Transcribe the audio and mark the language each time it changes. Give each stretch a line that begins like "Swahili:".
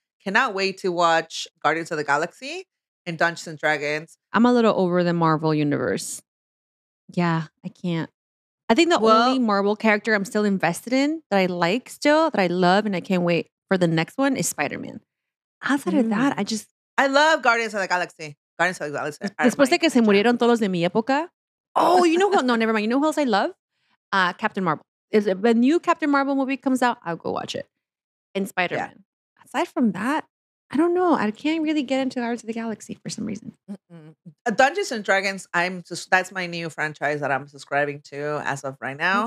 English: Cannot wait to watch Guardians of the Galaxy and Dungeons and Dragons. I'm a little over the Marvel universe. Yeah, I can't. I think the only Marvel character I'm still invested in that I like still, that I love and I can't wait for the next one is Spider-Man. Outside of that, I love Guardians of the Galaxy. Guardians of the Galaxy.
Spanish: Después de que se murieron todos de mi época.
English: Oh, you know who? No, never mind. You know who else I love? Captain Marvel. If a new Captain Marvel movie comes out, I'll go watch it. And Spider-Man. Yeah. Aside from that, I don't know. I can't really get into Guardians of the Galaxy for some reason. Mm-mm. Dungeons and Dragons, that's my new franchise that I'm subscribing to as of right now.